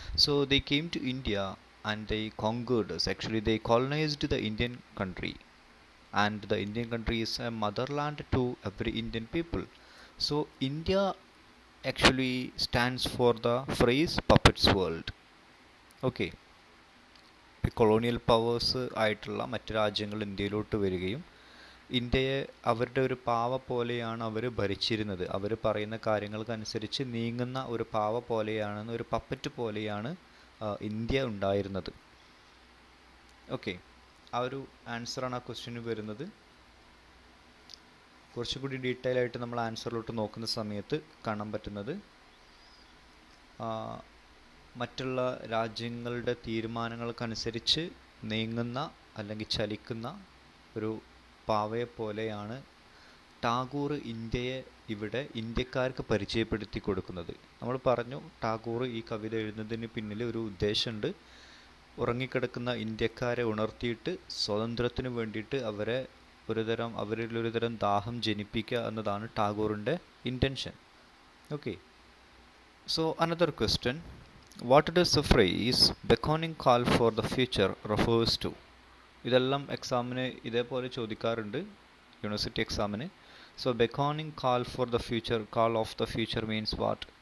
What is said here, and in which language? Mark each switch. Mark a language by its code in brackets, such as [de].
[en] So they came to India and they conquered us. Actually, they colonized the Indian country, and the Indian country is a motherland to every Indian people. So India actually stands for the phrase puppet's world. Okay. [ml] Colonial powers ആയിട്ടുള്ള മറ്റ് രാജ്യങ്ങൾ ഇന്ത്യയിലോട്ട് വരികയും ഇന്ത്യയെ അവരുടെ ഒരു പാവ പോലെയാണ് അവർ ഭരിച്ചിരുന്നത്. അവർ പറയുന്ന കാര്യങ്ങൾക്കനുസരിച്ച് നീങ്ങുന്ന ഒരു പാവ പോലെയാണെന്ന്, ഒരു പപ്പറ്റ് പോലെയാണ് ഇന്ത്യ ഉണ്ടായിരുന്നത്. ഓക്കെ, ആ ഒരു ആൻസറാണ് ആ ക്വസ്റ്റ്യന് വരുന്നത്. കുറച്ചുകൂടി ഡീറ്റെയിൽ ആയിട്ട് നമ്മൾ ആൻസറിലോട്ട് നോക്കുന്ന സമയത്ത് കാണാൻ പറ്റുന്നത്, മറ്റുള്ള രാജ്യങ്ങളുടെ തീരുമാനങ്ങൾക്കനുസരിച്ച് നീങ്ങുന്ന അല്ലെങ്കിൽ ചലിക്കുന്ന ഒരു പാവയെപ്പോലെയാണ് ടാഗോർ ഇന്ത്യയെ ഇവിടെ ഇന്ത്യക്കാർക്ക് പരിചയപ്പെടുത്തി കൊടുക്കുന്നത്. നമ്മൾ പറഞ്ഞു ടാഗോർ ഈ കവിത എഴുതുന്നതിന് പിന്നിൽ ഒരു ഉദ്ദേശമുണ്ട്. ഉറങ്ങിക്കിടക്കുന്ന ഇന്ത്യക്കാരെ ഉണർത്തിയിട്ട് സ്വാതന്ത്ര്യത്തിന് വേണ്ടിയിട്ട് അവരെ ഒരുതരം അവരിലൊരുതരം ദാഹം ജനിപ്പിക്കുക എന്നതാണ് ടാഗോറിൻ്റെ intention. [en] Okay, so another question, what does the phrase beckoning call for the future refers to? [ml] ഇതെല്ലാം എക്സാമിന് ഇതേപോലെ ചോദിക്കാറുണ്ട് യൂണിവേഴ്സിറ്റി എക്സാമിന്. [en] So beckoning call for the future, call of the future means what?